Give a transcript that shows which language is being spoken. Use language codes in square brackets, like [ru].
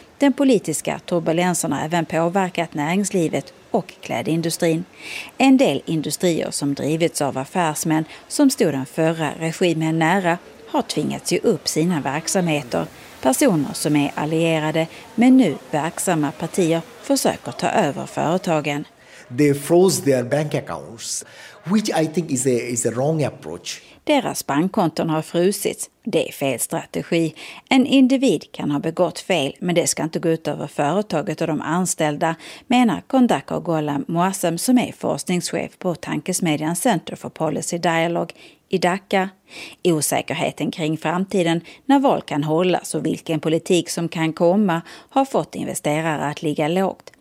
[sv] Den politiska turbulensen har även påverkat näringslivet och klädindustrin. En del industrier som drivits av affärsmän som stod den förra regimen nära har tvingats ge upp sina verksamheter. Personer som är allierade men nu verksamma partier försöker ta över företagen. [en] They froze their bank accounts, which I think is a wrong approach. [sv] Deras bankkonton har frusits. Det är fel strategi. En individ kan ha begått fel, men det ska inte gå ut över företaget och de anställda, menar Kondaka Ghulam Moassem som är forskningschef på tankesmedjan Center for Policy Dialogue i Dhaka. Osäkerheten kring framtiden, när val kan hållas och vilken politik som kan komma, har fått investerare att ligga lågt.